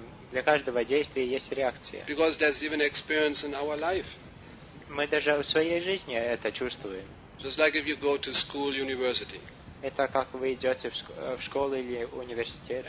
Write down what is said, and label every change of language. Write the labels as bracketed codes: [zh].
[ru] Для каждого действия есть реакция. [en] Because there's even experience in our life. [ru] Мы даже в своей жизни это чувствуем. [en] Just like if you go to school, university. [ru] Это как вы идете в школу или университет.